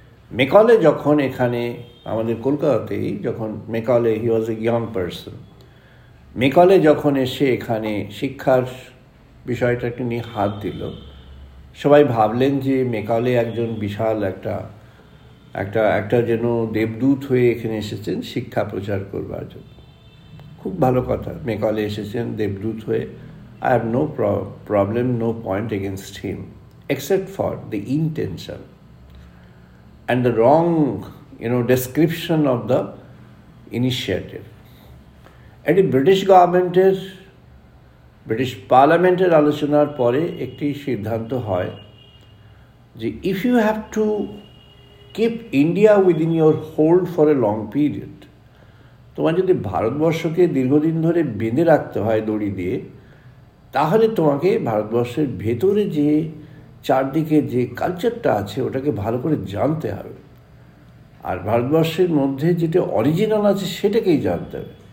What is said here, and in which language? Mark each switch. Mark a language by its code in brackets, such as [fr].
[bn] Macaulay যখন এখানে আমাদের কলকাতাতেই, যখন Macaulay [en] he was a young person, [bn] Macaulay যখন এসে এখানে শিক্ষার বিষয়টাকে নিয়ে হাত দিল, সবাই ভাবলেন যে মেকলে একজন বিশাল একটা একটা একটা যেন দেবদূত হয়ে এখানে এসেছেন শিক্ষা প্রচার করবার জন্য। খুব ভালো কথা, মেকলে এসেছেন দেবদূত হয়ে, [en] I have no problem, no point against him, except for the intention. and the wrong, you know, description of the initiative. And the British government is, British Parliament is [bn] alochonar pore ekti siddhanto hoy je [en] if you have to keep India within your hold for a long period, [bn] তোমার যদি ভারতবর্ষকে দীর্ঘদিন ধরে বেঁধে রাখতে হয় দড়ি দিয়ে, তাহলে তোমাকে ভারতবর্ষের ভেতরে যে চারদিকে যে কালচারটা আছে ওটাকে ভালো করে জানতে হবে, আর ভারতবর্ষের মধ্যে যেটা অরিজিনাল আছে সেটাকেই জানতে হবে।